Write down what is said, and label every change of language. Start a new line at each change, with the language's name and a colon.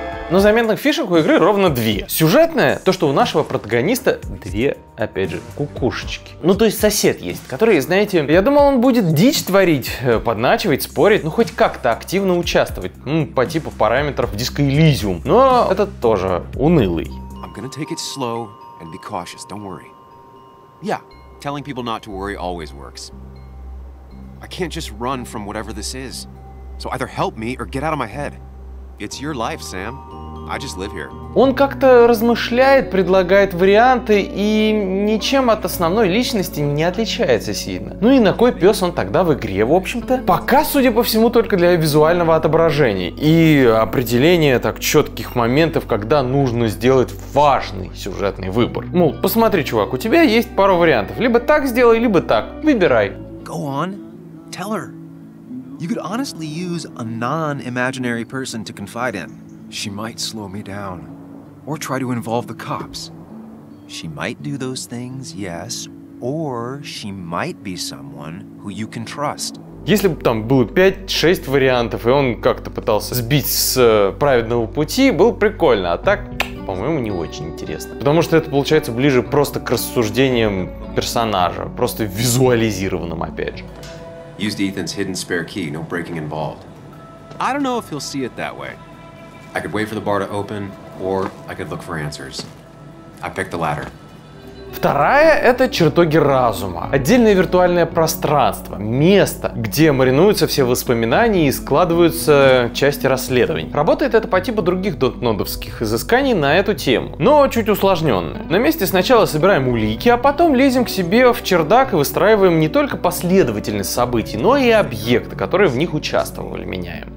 Russian: Но заметных фишек у игры ровно 2. Сюжетная, то что у нашего протагониста 2, опять же, кукушечки. Ну то есть сосед есть, который, знаете, я думал он будет дичь творить, подначивать, спорить, ну хоть как-то активно участвовать, по типу параметров Disco Elysium. Но это тоже унылый.
English: I'm gonna take it slow and be cautious, don't worry. Yeah, telling people not to worry always works. I can't just run from whatever this is. So either help me or get out of my head. It's your life, Sam. I just live here.
Russian: Он как-то размышляет, предлагает варианты и ничем от основной личности не отличается сильно. Ну и на кой пес он тогда в игре, в общем-то? Пока, судя по всему, только для визуального отображения и определения так четких моментов, когда нужно сделать важный сюжетный выбор. Мол, посмотри, чувак, у тебя есть пару вариантов. Либо так сделай, либо так. Выбирай.
English: Go on. Tell her. You could honestly use a non-imaginary person to confide in. She might slow me down. Or try to involve the cops. She might do those things, yes. Or she might be someone who you can trust.
Russian: Если бы там было 5-6 вариантов, и он как-то пытался сбить с праведного пути, было прикольно. А так, по-моему, не очень интересно. Потому что это получается ближе просто к рассуждениям персонажа. Просто визуализированным, опять же.
English: Used Ethan's hidden spare key, no breaking involved. I don't know if he'll see it that way. I could wait for the bar to open, or I could look for answers. I picked the latter.
Russian: Вторая — это чертоги разума. Отдельное виртуальное пространство, место, где маринуются все воспоминания и складываются части расследований. Работает это по типу других дотнодовских изысканий на эту тему, но чуть усложненное. На месте сначала собираем улики, а потом лезем к себе в чердак и выстраиваем не только последовательность событий, но и объекты, которые в них участвовали, меняем.